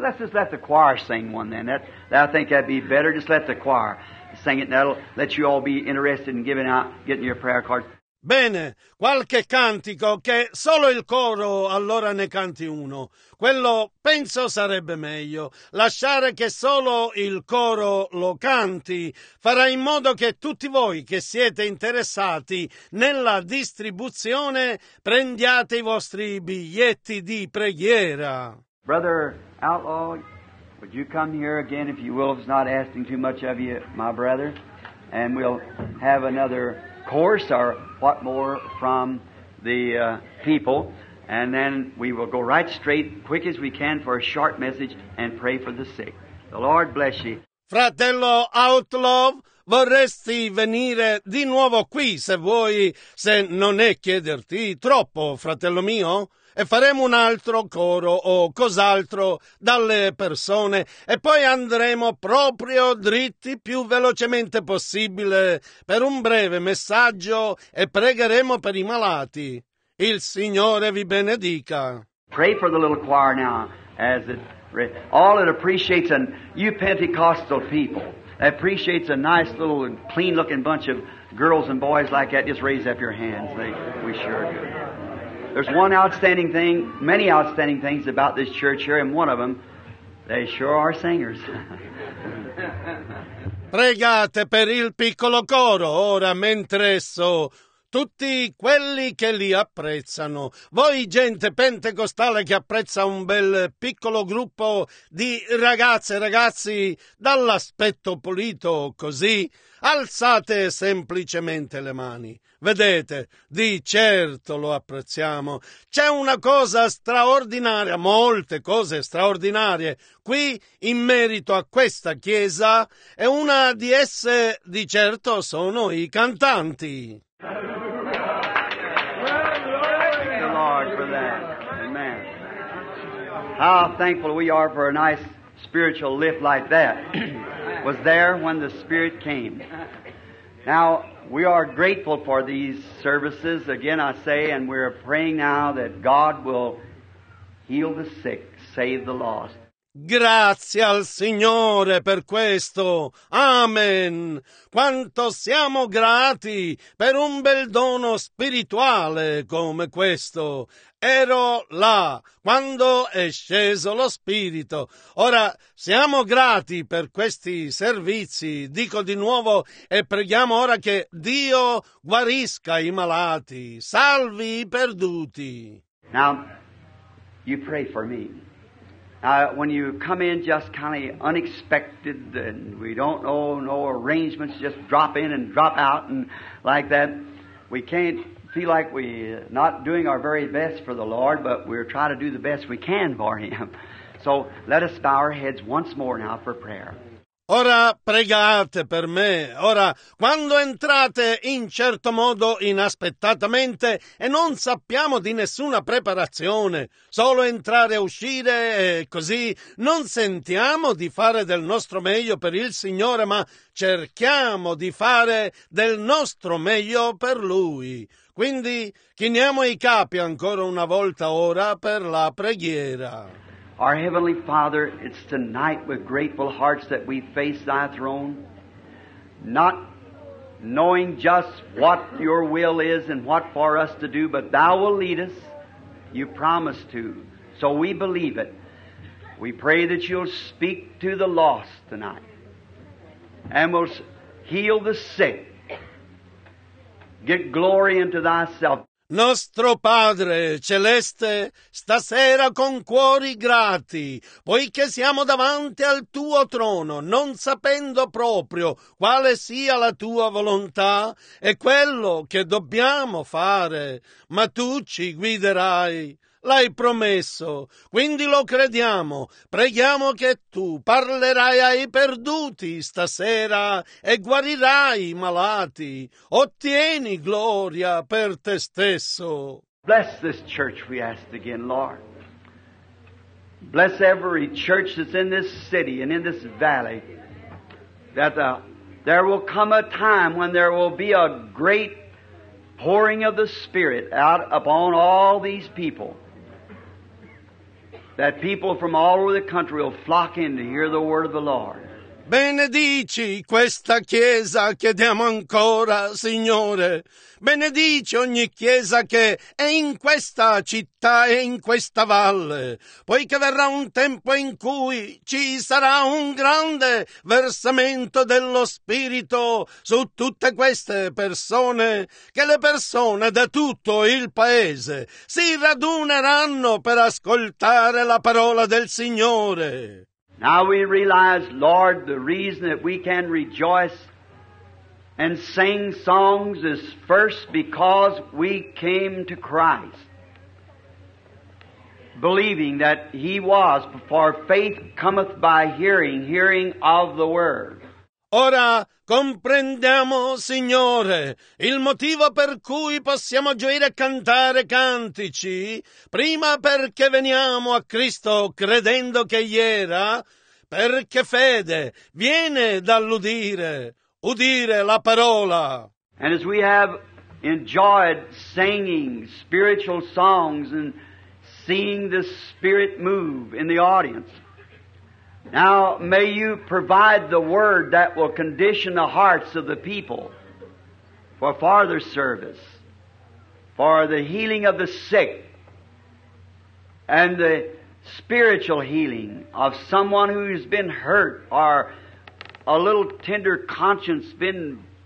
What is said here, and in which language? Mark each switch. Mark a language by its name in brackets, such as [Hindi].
[English] Let's just let the choir sing one then. That I think that'd be better. Just let the choir sing it. That'll let you all be interested in giving out, getting your prayer cards. [Italian] Bene, qualche cantico, che solo il coro allora ne canti uno. Quello penso sarebbe meglio. Lasciare che solo il coro lo canti farà in modo che tutti voi che siete interessati nella distribuzione prendiate i vostri biglietti di preghiera. [English] Brother Outlaw, would you come here again if you will, if it's not asking too much of you, my brother, and we'll have another course or what more from the people, and then we will go right straight, quick as we can, for a short message and pray for the sick. The Lord bless you. [Italian] Fratello Outlaw, vorresti venire di nuovo qui se vuoi, se non è chiederti troppo, fratello mio? E faremo un altro coro o cos'altro dalle persone e poi andremo proprio dritti più velocemente possibile per un breve messaggio e pregheremo per i malati. Il Signore vi benedica. [English] Pray for the little choir now, as it all it appreciates, and you Pentecostal people appreciates a nice little clean looking bunch of girls and boys like that. Just raise up your hands. We sure do. There's one outstanding thing, many outstanding things about this church here, and one of them, they sure are singers. [Italian] Pregate per il piccolo coro ora, mentre esso tutti quelli che li apprezzano. Voi, gente pentecostale che apprezza un bel piccolo gruppo di ragazze e ragazzi dall'aspetto pulito così, alzate semplicemente le mani. Vedete, di certo lo apprezziamo. C'è una cosa straordinaria, molte cose straordinarie, qui in merito a questa chiesa, e una di esse di certo sono i cantanti. [English] The Lord for that. Amen. How thankful we are for a nice spiritual lift like that. Was there when the Spirit came. Now, we are grateful for these services, again I say, and we're praying now that God will heal the sick, save the lost. [Italian] Grazie al Signore per questo. Amen. Quanto siamo grati per un bel dono spirituale come questo. Ero là quando è sceso lo Spirito. Ora siamo grati per questi servizi. Dico di nuovo e preghiamo ora che Dio guarisca i malati, salvi i perduti. [English] Now, you pray for me. Now, when you come in just kind of unexpected and we don't know, no arrangements, just drop in and drop out and like that, we can't feel like we're not doing our very best for the Lord, but we're trying to do the best we can for Him. So let us bow our heads once more now for prayer. [Italian] Ora pregate per me. Ora, quando entrate in certo modo inaspettatamente e non sappiamo di nessuna preparazione, solo entrare e uscire e così, non sentiamo di fare del nostro meglio per il Signore, ma cerchiamo di fare del nostro meglio per Lui. Quindi chiniamo i capi ancora una volta ora per la preghiera. [English] Our Heavenly Father, it's tonight with grateful hearts that we face Thy throne, not knowing just what Your will is and what for us to do, but Thou will lead us. You promised to, so we believe it. We pray that You'll speak to the lost tonight and will heal the sick. Get glory into Thyself. [Italian] Nostro Padre Celeste, stasera con cuori grati, poiché siamo davanti al Tuo trono, non sapendo proprio quale sia la Tua volontà e quello che dobbiamo fare, ma Tu ci guiderai. L'hai promesso, quindi lo crediamo. Preghiamo che Tu parlerai ai perduti stasera e guarirai i malati. Ottieni gloria per Te stesso. [English] Bless this church, we ask again, Lord. Bless every church that's in this city and in this valley, that there will come a time when there will be a great pouring of the Spirit out upon all these people. That people from all over the country will flock in to hear the word of the Lord. [Italian] Benedici questa chiesa, chiediamo ancora, Signore. Benedici ogni chiesa che è in questa città e in questa valle, poiché verrà un tempo in cui ci sarà un grande versamento dello Spirito su tutte queste persone, che le persone da tutto il paese si raduneranno per ascoltare la parola del Signore. [English] Now we realize, Lord, the reason that we can rejoice and sing songs is first because we came to Christ, believing that He was, for faith cometh by hearing, hearing of the Word. [Italian] Ora comprendiamo, Signore, il motivo per cui possiamo gioire e cantare cantici, prima perché veniamo a Cristo credendo che Egli era, perché fede viene dall'udire, udire la parola. [English] And as we have enjoyed singing spiritual songs and seeing the Spirit move in the audience, now may You provide the word that will condition the hearts of the people for farther service, for the healing of the sick, and the spiritual healing of someone who's been hurt or a little tender conscience been